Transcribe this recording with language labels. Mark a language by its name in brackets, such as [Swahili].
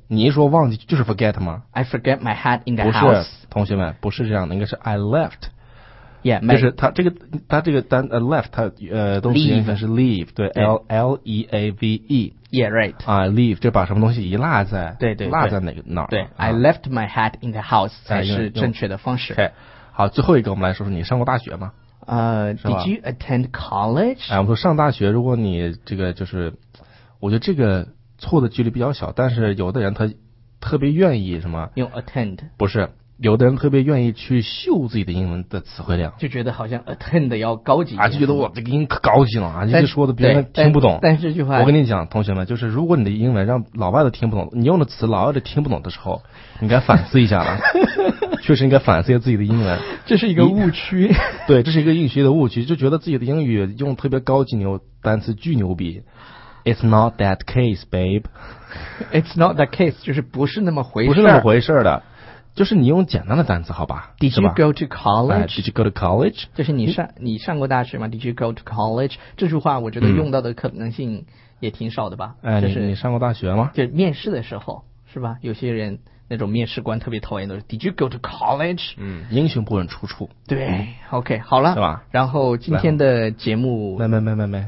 [Chinese] 你一说忘记就是 forget 吗 [English] ？I forget my hat in the house。 [Chinese] 不是，同学们，不是这样的，应该是 [English] I left。 Yeah, [Chinese] 就是他这个单left 他动词应该是 leave， 对 leave [English] yeah right [Chinese] 啊 leave 就把什么东西遗落在对落在哪个哪儿对、啊、 [English] I left my hat in the house [Chinese] 才是正确的方式。对、okay, 好，最后一个我们来说说你上过大学吗？ [English] Did you attend college？ [Chinese] 哎，我们说上大学，如果你这个就是，我觉得这个错的几率比较小，但是有的人他特别愿意什么用 attend 不是。有的人特别愿意去秀自己的英文的词汇量，就觉得好像 attend 要高级啊，就觉得我这个英文可高级了啊，一直说的别人听不懂。但是这句话，我跟你讲，同学们，就是如果你的英文让老外都听不懂，你用的词老外都听不懂的时候，你该反思一下了。确实应该反思一下自己的英文，这是一个误区。对，这是一个英语的误区，就觉得自己的英语用特别高级牛单词巨牛逼。 [English] It's not that case, babe. It's not that case， [Chinese] 就是不是那么回事，不是那么回事的。就是你用简单的单词好吧 [English] ？Did you go to college？ Did you go to college？ [Chinese] 就是你上过大学吗 [English] ？Did you go to college？ [Chinese] 这句话我觉得用到的可能性也挺少的吧？就是你上过大学吗？就面试的时候是吧？有些人那种面试官特别讨厌的是 ， [English] Did you go to college？ [Chinese] 嗯，英雄不问出处。对 ，OK， 好了，是吧？然后今天的节目，没，